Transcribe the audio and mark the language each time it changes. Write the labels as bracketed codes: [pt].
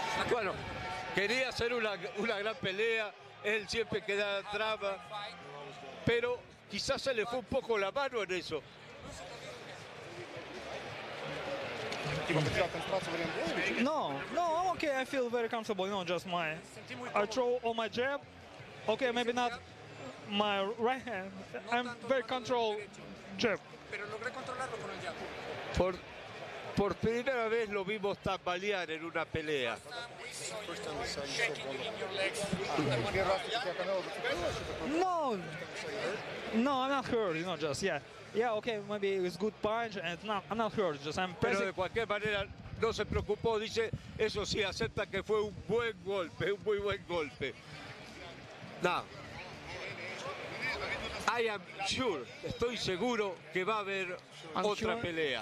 [es] Bueno, quería hacer una gran pelea, él siempre queda traba, pero quizás se le fue un poco la mano en eso. [en] No, I'm okay, I feel very comfortable, you know, just my, I throw all my jab, okay, maybe not. My right hand, I'm very controlled jab. [es] Por primera vez lo vimos tambalear en una pelea. [en] No, I'm not hurt, you know, just, yeah. Yeah, okay, maybe it's good punch, and no, I'm not hurt, just I'm pressing. [es] Pero de cualquier manera, no se preocupó, dice, eso sí, acepta que fue un buen golpe, un muy buen golpe. No. [en] I am sure, [es] estoy seguro que va a haber otra pelea.